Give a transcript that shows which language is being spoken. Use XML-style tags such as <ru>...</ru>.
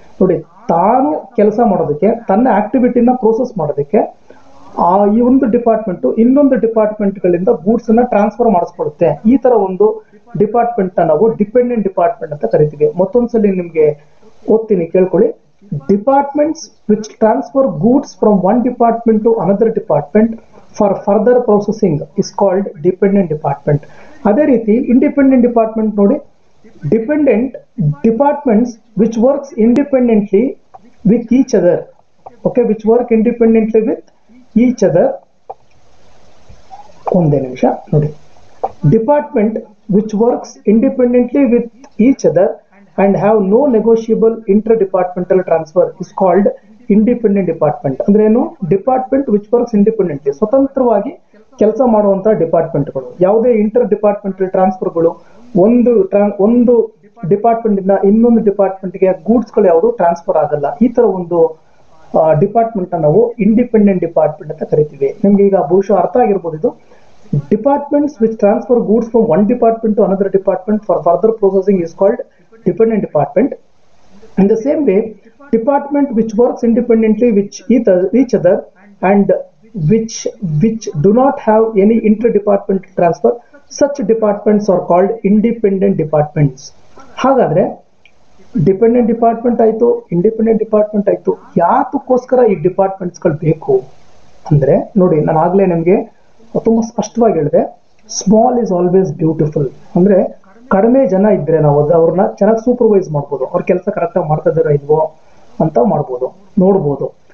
<kn>ನೋಡಿ, ತಾನು ಕೆಲಸ ಮಾಡೋದಕ್ಕೆ, ತನ್ನ ಆಕ್ಟಿವಿಟಿನ ಪ್ರೊಸೆಸ್ ಮಾಡೋದಕ್ಕೆ ಆ ಈ ಒಂದು ಡಿಪಾರ್ಟ್ಮೆಂಟ್ ಇನ್ನೊಂದು ಡಿಪಾರ್ಟ್ಮೆಂಟ್ಗಳಿಂದ ಗೂಡ್ಸ್ ಅನ್ನ ಟ್ರಾನ್ಸ್ಫರ್ ಮಾಡಿಸ್ಕೊಳುತ್ತೆ. ಈ ತರ ಒಂದು ಡಿಪಾರ್ಟ್ಮೆಂಟ್ ನಾವು ಡಿಪೆಂಡೆಂಟ್ ಡಿಪಾರ್ಟ್ಮೆಂಟ್ ಅಂತ ಕರಿತೀವಿ. ಮತ್ತೊಂದ್ಸಲಿ ನಿಮ್ಗೆ ಓದ್ತೀನಿ, ಕೇಳ್ಕೊಳ್ಳಿ.</kn> <en>departments which transfer goods from one department to another department for further processing is called dependent department.</en> <kn>ಅದೇ ರೀತಿ</kn> <en>Independent department ನೋಡಿ, dependent departments which works independently with each other, okay, which work independently with each other.</en> <kn>ಒಂದೇ ನಿಮಿಷ ನೋಡಿ,</kn> <en>Department which works independently with each other and have no negotiable inter departmental transfer is called independent department.</en> <kn>ಅಂದ್ರೆ ಏನು,</kn> <en>department which works independently,</en> <kn>ಸ್ವತಂತ್ರವಾಗಿ ಕೆಲಸ ಮಾಡುವಂತಹ ಡಿಪಾರ್ಟ್ಮೆಂಟ್ಗಳು, ಯಾವುದೇ inter departmental ಟ್ರಾನ್ಸ್ಫರ್ಗಳು, ಒಂದು ಡಿಪಾರ್ಟ್ಮೆಂಟಿಂದ ಇನ್ನೊಂದು ಡಿಪಾರ್ಟ್ಮೆಂಟ್ಗೆ ಗೂಡ್ಸ್ಗಳು ಯಾವುದು ಟ್ರಾನ್ಸ್ಫರ್ ಆಗಲ್ಲ, ಈ ತರ ಒಂದು ಡಿಪಾರ್ಟ್ಮೆಂಟ್ ನಾವು ಇಂಡಿಪೆಂಡೆಂಟ್ ಡಿಪಾರ್ಟ್ಮೆಂಟ್ ಅಂತ ಕರಿತೀವಿ. ನಿಮ್ಗೆ ಈಗ ಬಹುಶಃ ಅರ್ಥ ಆಗಿರ್ಬೋದು, ಇದು</kn> <en>Departments which transfer goods from one department to another department for further processing is called dependent department. In the same way department which works independently which each other and which do not have any inter-departmental transfer, such departments are called independent departments.</en> <kn>ಹಾಗಾದ್ರೆ dependent department ಆಯ್ತು, independent department ಆಯ್ತು, ಯಾತಕ್ಕೋಸ್ಕರ ಈ ಡಿಪಾರ್ಟ್ಮೆಂಟ್ಸ್ಗಳು ಬೇಕು ಅಂದರೆ ನೋಡಿ, ನಾನು ಆಗಲೇ ನಿಮಗೆ ತುಂಬ ಸ್ಪಷ್ಟವಾಗಿ ಹೇಳಿದೆ,</kn> <en>Small is always beautiful.</en> <kn>ಅಂದರೆ ಕಡಿಮೆ ಜನ ಇದ್ದರೆ ನಾವು ಅವ್ರನ್ನ ಚೆನ್ನಾಗಿ ಸೂಪರ್ವೈಸ್ ಮಾಡ್ಬೋದು, ಅವ್ರ ಕೆಲಸ ಕರೆಕ್ಟಾಗಿ ಮಾಡ್ತಾ ಇದ್ವೋ ಅಂತ ಮಾಡ್ಬೋದು, ನೋಡ್ಬೋದು.</kn>